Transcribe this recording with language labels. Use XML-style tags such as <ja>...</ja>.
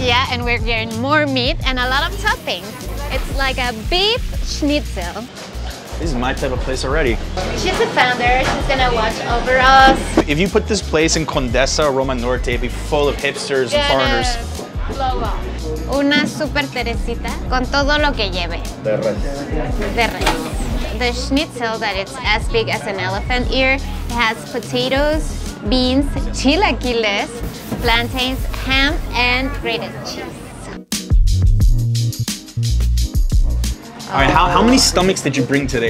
<en>Yeah, and we're getting more meat and a lot of toppings. It's like a beef schnitzel. This is my type of place already. She's the founder, she's gonna watch over us. If you put this place in Condesa or Roma Norte, it'd be full of hipsters and foreigners. Blow up.</en> <es>Una super Teresita con todo lo que lleve. De res.</es> <en>The schnitzel that it's as big as an elephant ear, it has potatoes, beans, chilaquiles, plantains, ham, and grated cheese. All right, how many stomachs did you bring today?</en>